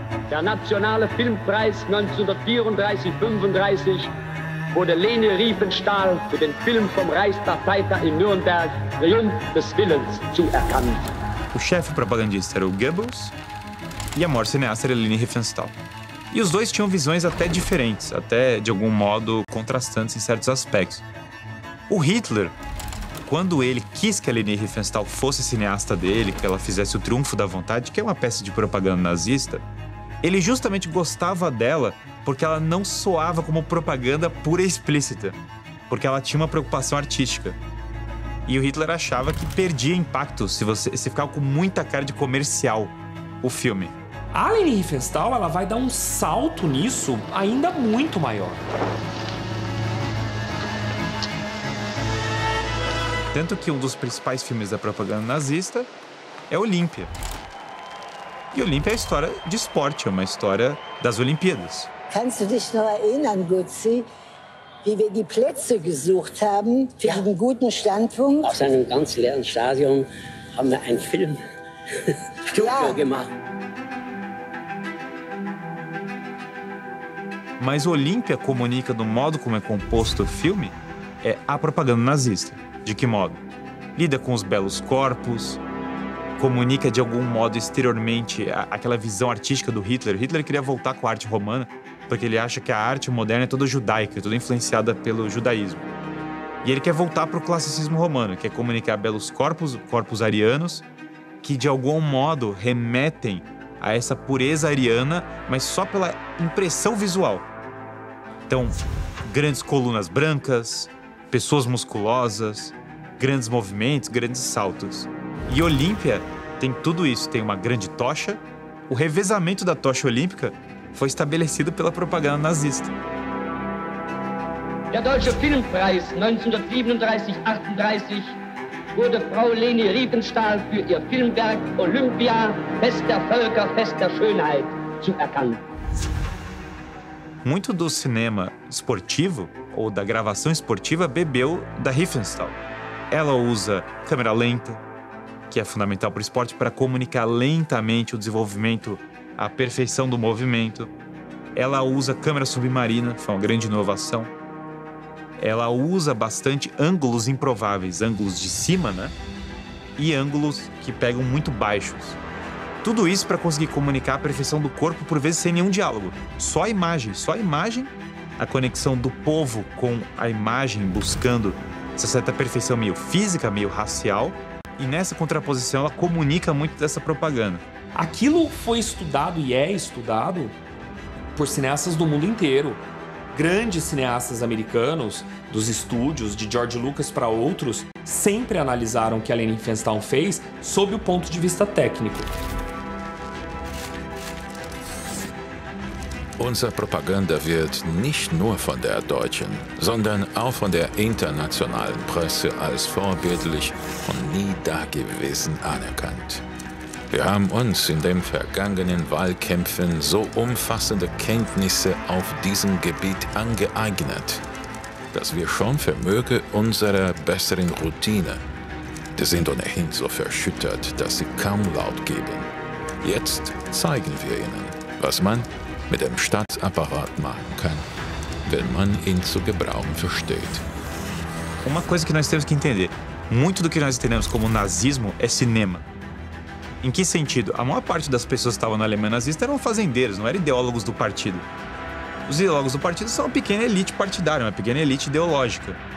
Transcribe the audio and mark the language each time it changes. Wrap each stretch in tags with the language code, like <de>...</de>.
<de>Der nationale Filmpreis 1934-35 wurde Leni Riefenstahl für den Film vom Reichsparteitag in Nürnberg Triumph des Willens zuerkannt.</de> <pt>O chefe propagandista era o Goebbels e a maior cineasta era Leni Riefenstahl. E os dois tinham visões até diferentes, até de algum modo contrastantes em certos aspectos. O Hitler, quando ele quis que a Leni Riefenstahl fosse cineasta dele, que ela fizesse o Triunfo da Vontade, que é uma peça de propaganda nazista, ele justamente gostava dela porque ela não soava como propaganda pura e explícita, porque ela tinha uma preocupação artística. E o Hitler achava que perdia impacto se ficava com muita cara de comercial o filme. A Leni Riefenstahl, ela vai dar um salto nisso ainda muito maior. Tanto que um dos principais filmes da propaganda nazista é Olímpia. E Olímpia é a história de esporte, é uma história das Olimpíadas.</pt> <de>Kannst du dich noch erinnern, Gutzi, wie wir die Plätze gesucht haben für einen guten Standpunkt? Aus einem ganz leeren Stadion haben wir einen Film Studio gemacht.</de> <pt>Mas o Olímpia comunica, do modo como é composto o filme, é a propaganda nazista. De que modo? Lida com os belos corpos, comunica de algum modo exteriormente aquela visão artística do Hitler. Hitler queria voltar com a arte romana, porque ele acha que a arte moderna é toda judaica, é toda influenciada pelo judaísmo. E ele quer voltar para o classicismo romano, quer comunicar belos corpos, corpos arianos, que de algum modo remetem a essa pureza ariana, mas só pela impressão visual. Então, grandes colunas brancas, pessoas musculosas, grandes movimentos, grandes saltos. E Olímpia tem tudo isso. Tem uma grande tocha, O revezamento da tocha olímpica foi estabelecido pela propaganda nazista.</pt> <de>Der Deutsche Filmpreis 1937-38 wurde Frau Leni Riefenstahl für ihr Filmwerk Olympia, Fest der Völker, Fest der Schönheit zuerkannt.</de> <pt>Muito do cinema esportivo, ou da gravação esportiva, bebeu da Riefenstahl. Ela usa câmera lenta, que é fundamental para o esporte, para comunicar lentamente o desenvolvimento, a perfeição do movimento. Ela usa câmera submarina, foi uma grande inovação. Ela usa bastante ângulos improváveis, ângulos de cima, né? E ângulos que pegam muito baixos. Tudo isso para conseguir comunicar a perfeição do corpo, por vezes sem nenhum diálogo. Só a imagem, a conexão do povo com a imagem, buscando essa certa perfeição meio física, meio racial. E nessa contraposição, ela comunica muito dessa propaganda. Aquilo foi estudado e é estudado por cineastas do mundo inteiro. Grandes cineastas americanos, dos estúdios, de George Lucas para outros, sempre analisaram o que a Leni Riefenstahl fez sob o ponto de vista técnico.</pt> <de>Unsere Propaganda wird nicht nur von der deutschen, sondern auch von der internationalen Presse als vorbildlich und nie dagewesen anerkannt. Wir haben uns in den vergangenen Wahlkämpfen so umfassende Kenntnisse auf diesem Gebiet angeeignet, dass wir schon vermöge unserer besseren Routine, die sind ohnehin so verschüttet, dass sie kaum laut geben. Jetzt zeigen wir ihnen, was man mit dem Staatsapparat machen kann, wenn man ihn zu gebrauchen versteht.</de> <pt>Uma coisa que nós temos que entender, muito do que nós entendemos como nazismo é cinema. Em que sentido? A maior parte das pessoas que estavam na Alemanha nazista eram fazendeiros, não eram ideólogos do partido. Os ideólogos do partido são uma pequena elite partidária, uma pequena elite ideológica.</pt>